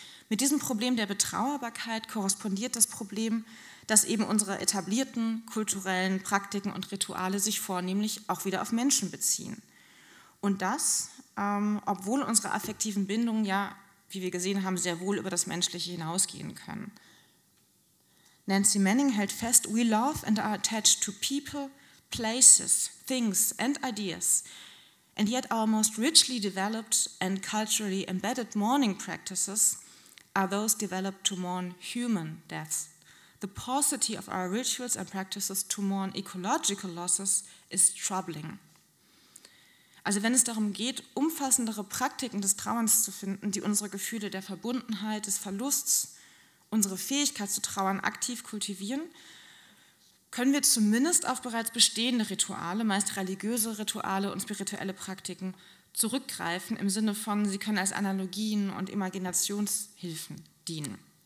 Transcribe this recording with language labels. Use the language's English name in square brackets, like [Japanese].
[German] Mit diesem Problem der Betrauerbarkeit korrespondiert das Problem, dass eben unsere etablierten kulturellen Praktiken und Rituale sich vornehmlich auch wieder auf Menschen beziehen. Und das, obwohl unsere affektiven Bindungen ja, wie wir gesehen haben, sehr wohl über das Menschliche hinausgehen können. Nancy Manning hält fest, [English] we love and are attached to people, places, things and ideas. And yet our most richly developed and culturally embedded mourning practices are those developed to mourn human deaths. The paucity of our rituals and practices to mourn ecological losses is troubling. [German] Also wenn es darum geht, umfassendere Praktiken des Trauerns zu finden, die unsere Gefühle der Verbundenheit, des Verlusts, unsere Fähigkeit zu trauern aktiv kultivieren, können wir zumindest auf bereits bestehende Rituale, meist religiöse Rituale und spirituelle Praktiken, zurückgreifen, im Sinne von, sie können als Analogien und Imaginationshilfen dienen.